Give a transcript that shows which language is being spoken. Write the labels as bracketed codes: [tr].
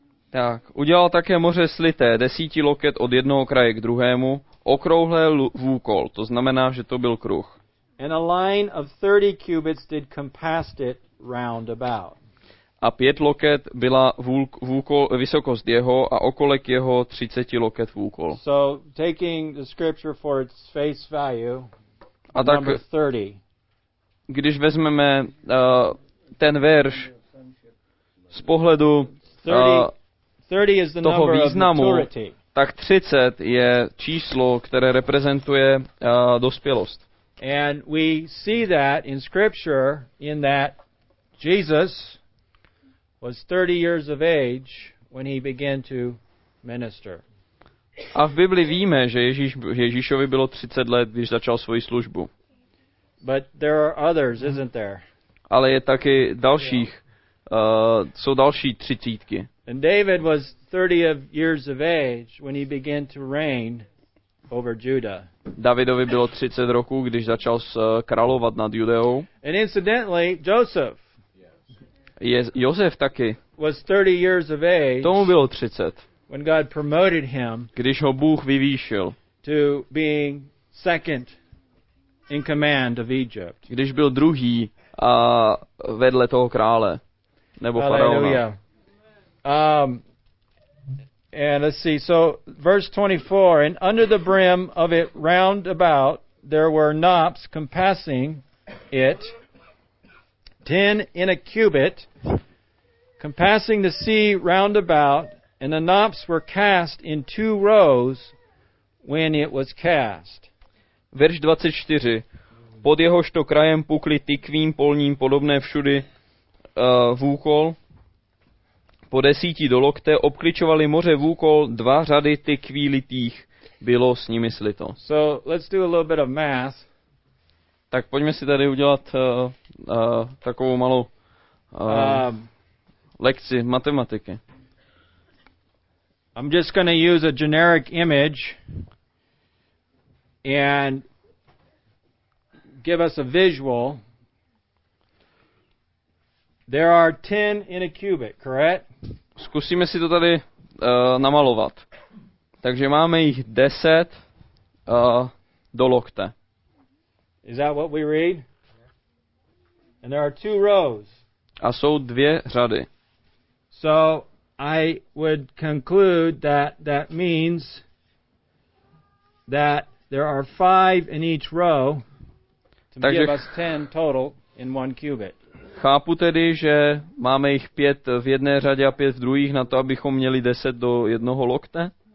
[cs] Tak, udělal také moře slité, 10 loket od jednoho kraje k druhému, okrouhlé vůkol, to znamená, že to byl kruh. [en] And a line of 30 cubits did compass it round about. [cs] A 5 loket byla vůkol, vysokost jeho a okolek jeho 30 loket vůkol. [en] So, taking the scripture for its face value, [cs] a tak, [en] number 30. [cs] Když vezmeme ten verš z pohledu [en] 30 is the [cs] toho [en] number [cs] významu, [en] of maturity. [cs] Tak 30 je číslo, které reprezentuje dospělost. [en] And we see that in scripture in that Jesus was 30 years of age when he began to minister. [cs] A v Bibli víme, že Ježíšovi bylo 30 let, když začal svoji službu. [en] But there are others, isn't there? [cs] Ale je taky dalších, jsou další třicítky. [en] And David was 30 years of age when he began to reign over Judah. [cs] Davidovi bylo 30 roků, když začal královat nad Judeou. [en] And incidentally, Joseph. Yes. [cs] Josef taky. [en] Was 30 years of age. [cs] Tomu bylo 30. [en] When God promoted him. [cs] Když ho Bůh vyvýšil. [en] To being second in command of Egypt. [cs] Když byl druhý a vedle toho krále nebo faraona. [en] And let's see, so verse 24, and under the brim of it round about, there were knops compassing it, 10 in a cubit, compassing the sea round about, and the knops were cast in two rows when it was cast. [cs] Verš 24, pod jehož to krajem pukli tykvým polním podobné všudy vůkol. Po 10 do lokte obkličovali moře vůkol 2 řady tykví litých. Bylo s nimi slito. [en] So, let's do a little bit of math. [cs] Tak pojďme si tady udělat takovou malou lekci matematiky. [en] I'm just going to use a generic image and give us a visual. There are 10 in a cubit, correct? [cs] Zkusíme si to tady namalovat. Takže máme jich 10 do lokte. [en] Is that what we read? And there are two rows. [cs] A jsou dvě řady. [en] So I would conclude that means that there are 5 in each row to give us 10 total in one cubit. [cs] Chápu tedy, že máme jich pět v jedné řadě a pět v druhých na to, abychom měli 10 do jednoho lokte?